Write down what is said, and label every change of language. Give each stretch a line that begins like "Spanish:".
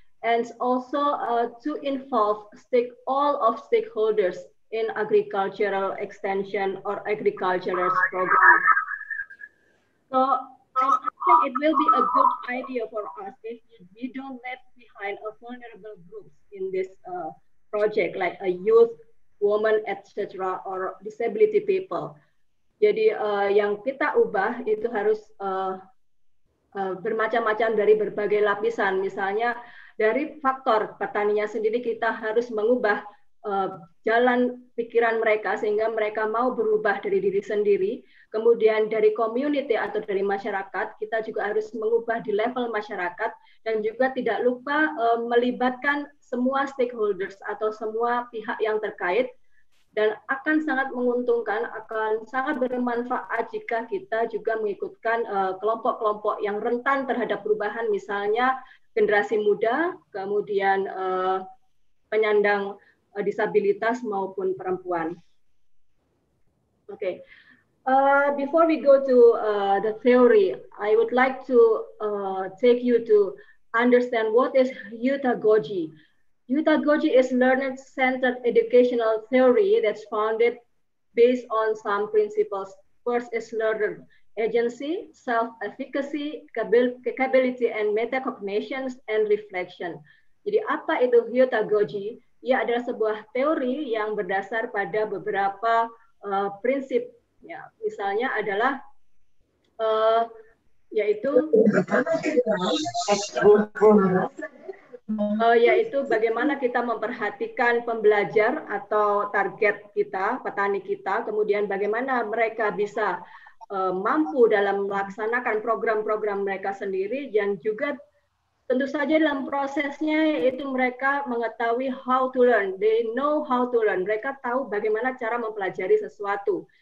English: And also to involve all of stakeholders in agricultural extension or agricultural program. So I think it will be a good idea for us if we don't leave behind a vulnerable groups in this project, like a youth, woman, etc., or disability people.
Indonesian: Jadi yang kita ubah itu harus bermacam-macam dari berbagai lapisan. Misalnya dari faktor petaninya sendiri, kita harus mengubah jalan pikiran mereka sehingga mereka mau berubah dari diri sendiri. Kemudian dari community atau dari masyarakat, kita juga harus mengubah di level masyarakat, dan juga tidak lupa melibatkan semua stakeholders atau semua pihak yang terkait. Dan akan sangat menguntungkan, akan sangat bermanfaat jika kita juga mengikutkan kelompok-kelompok yang rentan terhadap perubahan, misalnya generasi muda, kemudian penyandang disabilitas maupun perempuan.
English: Okay. Before we go to the theory, I would like to take you to understand what is youthagogy. Youthagogy is learner-centered educational theory that's founded based on some principles. First is learner agency, self-efficacy, capability and metacognition and reflection.
Indonesian: Jadi apa itu youthagogy? Ia adalah sebuah teori yang berdasar pada beberapa prinsip. Ya, misalnya adalah yaitu bagaimana kita memperhatikan pembelajar atau target kita, petani kita, kemudian bagaimana mereka bisa mampu dalam melaksanakan program-program mereka sendiri, dan juga tentu saja dalam prosesnya itu mereka mengetahui
English: how to learn, they know how to learn,
Indonesian: mereka tahu bagaimana cara mempelajari sesuatu.